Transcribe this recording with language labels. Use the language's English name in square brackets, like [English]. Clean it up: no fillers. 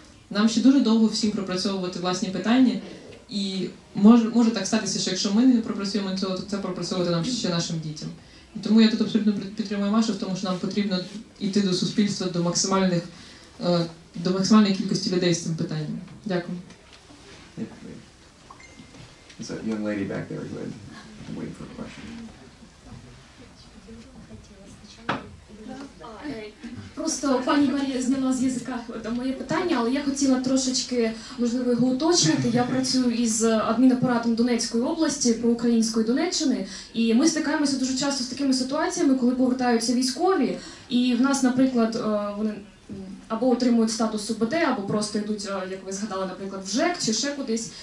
[Ukrainian] Нам ще дуже довго всім пропрацьовувати власні питання, і може так статися, що якщо ми не пропрацюємо цього, то це пропрацьовувати нам ще нашим дітям. І тому я тут абсолютно підтримую Машу в тому, що нам потрібно йти до суспільства, до максимальної кількості людей з цим питанням. Дякую. [English] There's a young lady back there who had been waiting for a question. [Ukrainian] Просто пані Марія зняла з язика моє питання, але я хотіла трошечки, можливо, його уточнити. Я працюю із адмінапаратом Донецької області, проукраїнської Донеччини, і ми стикаємося дуже часто з такими ситуаціями, коли повертаються військові, і в нас, наприклад, вони або отримують статус УБД, або просто йдуть, як ви згадали, наприклад, в ЖЕК чи ще кудись.